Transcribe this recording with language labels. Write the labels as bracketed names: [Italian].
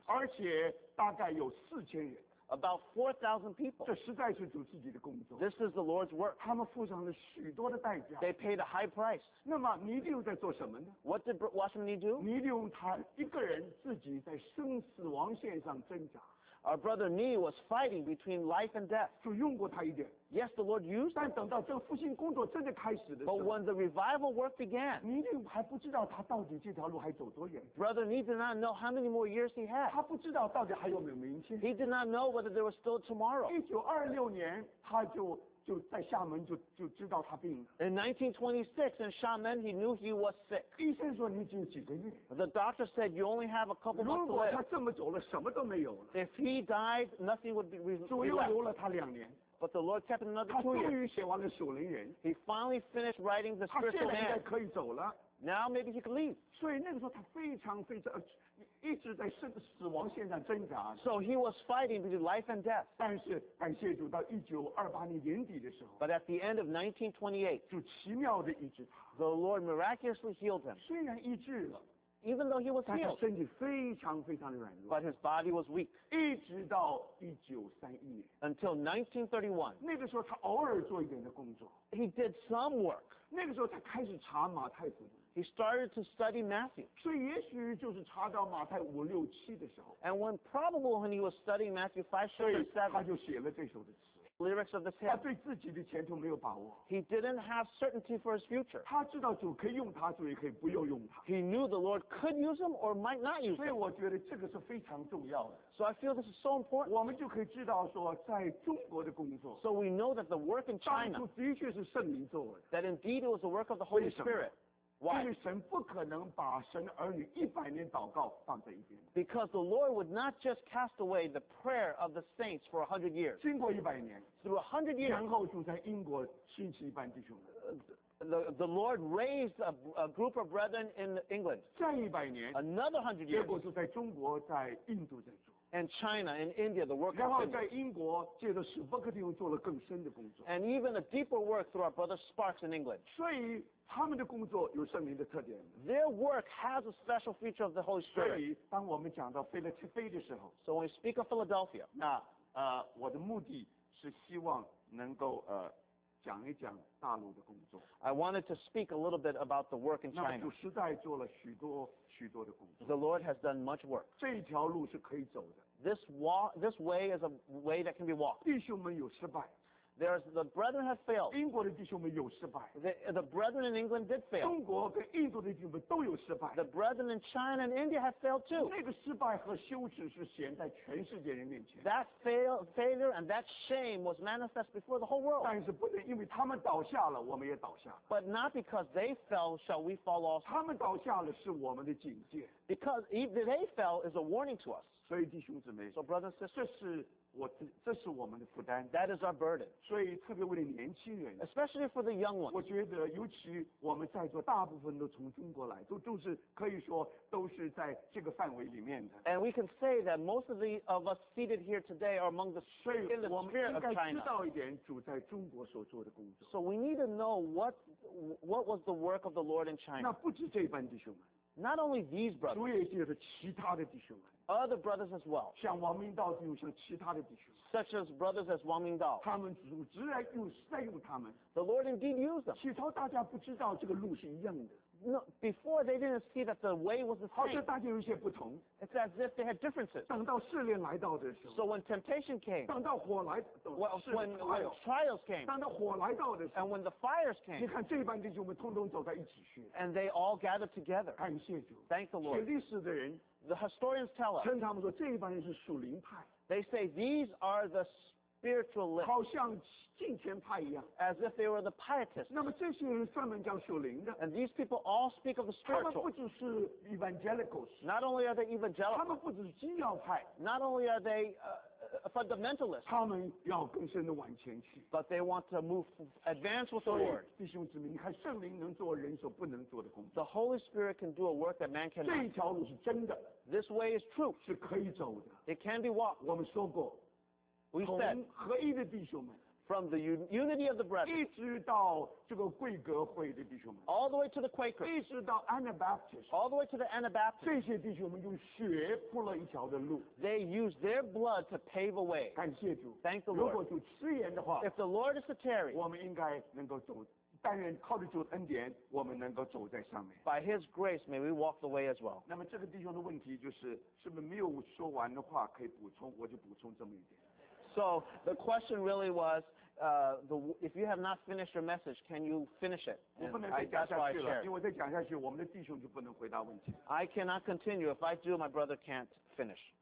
[Chinese] 而且大概有4000人 [English] ，About 4,000 people， [Chinese] 这实在是主自己的工作 [English] ，This is the Lord's work， [Chinese] 他们付上了许多的代价 [English] ，They paid a high price， [Chinese] 那么倪弟兄在做什么呢 [English] ？What did Washington Nee do？ [Chinese] 倪弟兄他一个人自己在生死亡线上挣扎。 [English] Our brother Ni was fighting between life and death. [Chinese] 就用过他一点。 [English] Yes, the Lord used him. [Chinese] 但等到这个复兴工作真的开始的时候。 [English] But when the revival work began, [Chinese] 你一定还不知道他到底这条路还走多远。 [English] Brother Ni did not know how many more years he had. [Chinese] 他不知道到底还有没有明天。 [English] He did not know whether there was still tomorrow. [Chinese] 1926年他就在厦门就知道他病了。 [English] In 1926, in Xiamen, he knew he was sick. [Chinese] 医生说你只有几个月。 [English] The doctor said you only have a couple months left. [Chinese] 如果他这么走了，什么都没有了。 [English] If he died, nothing would be left. [Chinese] 主又留了他两年。 [English] But the Lord kept another [Chinese] 他终于写完了属灵人。 [English] He finally finished writing the spiritual man. [Chinese] 他现在应该可以走了。 [English] Now maybe he could leave. [Chinese] 所以那个时候他非常非常一直在死亡线上挣扎。 [English] So he was fighting between life and death. [Chinese] 但是感谢主，到1928年年底的时候。 [English] But at the end of 1928, [Chinese] 主奇妙地医治他。 [English] The Lord miraculously healed him. [Chinese] 虽然医治了。 [English] Even though he was healed, [Chinese] 但他身体非常非常的软弱。 [English] But his body was weak. [Chinese] 一直到1931年。 [English] Until 1931. [Chinese] 那个时候他偶尔做一点的工作。 [English] He did some work. [Chinese] 那个时候他开始查马太福音。 [English] He started to study Matthew. [Chinese] 所以也许就是查到马太五六七的时候。 [English] And when probably when he was studying Matthew 5, 6, 7, [Chinese] 他就写了这首的词。 [English] Lyrics of the hymn. [Chinese] 他对自己的前途没有把握。 [English] He didn't have certainty for his future. [Chinese] 他知道主可以用他，主也可以不用用他。 [English] He knew the Lord could use him or might not use him. [Chinese] 所以我觉得这个是非常重要的。 [English] So I feel this is so important. [Chinese] 我们就可以知道说，在中国的工作。 [English] So we know that the work in China. [Chinese] 当初的确是圣灵做的。 [English] That indeed it was the work of the Holy Spirit. Why? [Chinese] 因为神不可能把神的儿女一百年祷告放在一边。 [English] Because the Lord would not just cast away the prayer of the saints for 100 years. [Chinese] 经过一百年。 [English] Through 100 years. [Chinese] 然后就在英国兴起一班弟兄们。 [English] The Lord raised a group of brethren in England. [Chinese] 再一百年。 [English] Another 100 years. [Chinese] 结果就在中国，在印度在做。 [English] And China, in India, the work. [Chinese] 然后在英国，借着史伯克弟兄做了更深的工作。 [English] And even a deeper work through our brother Sparks in England. [Chinese] 所以他们的工作有圣灵的特点。 [English] Their work has a special feature of the Holy Spirit. [Chinese] 所以当我们讲到腓立比的时候 [English] ，So when we speak of Philadelphia, [Chinese] 那我的目的是希望能够讲一讲大陆的工作。 [English] I wanted to speak a little bit about the work in China. [Chinese] 那主实在做了许多许多的工作。 [English] The Lord has done much work. [Chinese] 这一条路是可以走的。 [English] This way is a way that can be walked. [Chinese] 弟兄们有失败。 [English] The brethren have failed. [Chinese] 英国的弟兄们有失败。 [English] The brethren in England did fail. [Chinese] 中国跟印度的弟兄们都有失败。 [English] The brethren in China and India have failed too. [Chinese] 那个失败和羞耻是显在全世界人面前。 [English] That failure and that shame was manifest before the whole world. [Chinese] 但是不能因为他们倒下了，我们也倒下。 [English] But not because they fell shall we fall also. [Chinese] 他们倒下了是我们的警戒。 [English] Because if they fell is a warning to us. [Chinese] 所以弟兄姊妹。 [English] So brothers and sisters. [Chinese] 这是我们的负担。 [English] That is our burden. [Chinese] 所以特别为了年轻人。 [English] Especially for the young ones. [Chinese] 我觉得尤其我们在座大部分都从中国来，都是可以说都是在这个范围里面的。 [English] And we can say that most of us seated here today are among the spirit of China. [Chinese] 我们应该知道一点主在中国所做的工作。 [English] So we need to know what was the work of the Lord in China. [Chinese] 那不止这班弟兄们。 [English] Not only these brothers. [Chinese] 主也借着其他的弟兄们。 [English] Other brothers as well. [Chinese] 像王明道弟兄，像其他的弟兄。 [English] Such as brothers as 王明道。 [Chinese] 他们主直来用，实在用他们。 [English] The Lord indeed used them. [Chinese] 起初大家不知道这个路是一样的。 [English] No, before they didn't see that the way was the same. [Chinese] 好像大家有一些不同。 [English] It's as if they had differences. [Chinese] 等到试炼来到的时候。 [English] So when temptation came. [Chinese] 等到火来。 [English] When trials came. [Chinese] 等到火来到的时候。 [English] And when the fires came. [Chinese] 你看这班弟兄们通通走在一起去。 [English] And they all gathered together. [Chinese] 感谢主。 [English] Thank the Lord. [Chinese] 写历史的人。 [English] The historians tell us. [Chinese] 称他们说这一帮人是属灵派。 [English] They say these are the spiritualists. [Chinese] 好像敬虔派一样。 [English] As if they were the pietists. [Chinese] 那么这些人专门叫属灵的。 [English] And these people all speak of the spiritual. [Chinese] 他们不只是 evangelicals. [English] Not only are they evangelicals. [Chinese] 他们不只是基要派。 [English] Not only are they fundamentalists. [Chinese] 他们要更深的往前去。 [English] But they want to move advance with the Lord. [Chinese] 弟兄姊妹，你看圣灵能做人所不能做的工作。 [English] The Holy Spirit can do a work that man cannot. [Chinese] 这一条路是真的。 [English] This way is true. [Chinese] 是可以走的。 [English] It can be walked. [Chinese] 我们说过。 [English] We said, [Chinese] 从合一的弟兄们。 [English] From the unity of the brethren. [Chinese] 一直到这个贵格会的弟兄们。 [English] All the way to the Quakers. [Chinese] 一直到 Anabaptists. [English] All the way to the Anabaptists. [Chinese] 这些弟兄们用血铺了一条的路。 [English] They used their blood to pave a way. [Chinese] 感谢主。 [English] Thank the Lord. [Chinese] 如果主赐言的话。 [English] If the Lord is to tarry. [Chinese] 我们应该能够走但愿靠着主的恩典，我们能够走在上面。 [English] By His grace, may we walk the way as well. [Chinese] 那么这个弟兄的问题就是，是不是没有说完的话可以补充？我就补充这么一点。 [English] So the question really was, if you have not finished your message, can you finish it? [Chinese] 我不能再讲下去了，因为再讲下去，我们的弟兄就不能回答问题。 [English] I cannot continue. If I do, my brother can't finish.